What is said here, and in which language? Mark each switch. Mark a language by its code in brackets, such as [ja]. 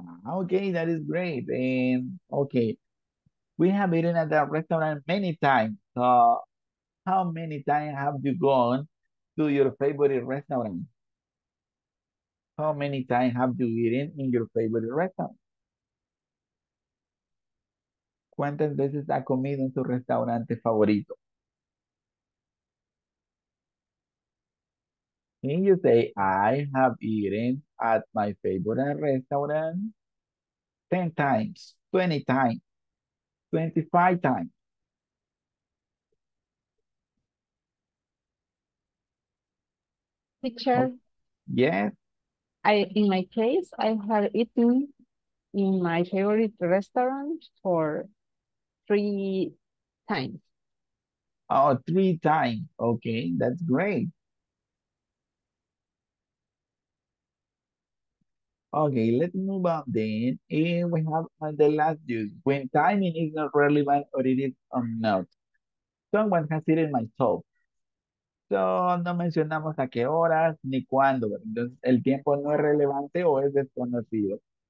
[en] Okay, that is great. And okay. We have eaten at that restaurant many times. So, how many times have you gone to your favorite restaurant? How many times have you eaten in your favorite restaurant? [es] ¿Cuántas veces ha comido en tu restaurante favorito? [en] Can you say, I have eaten at my favorite restaurant 10 times, 20 times? 25 times. Teacher. Yes. In my case, I have eaten in my favorite restaurant for 3 times. Oh, 3 times. Okay, that's great. Okay, let's move on then. And we have the last use. When timing is not relevant or it is unknown. Someone has eaten my soap. So [es] No, no mencionamos a qué horas ni cuándo, ¿verdad? Entonces, el tiempo no es relevante o es desconocido.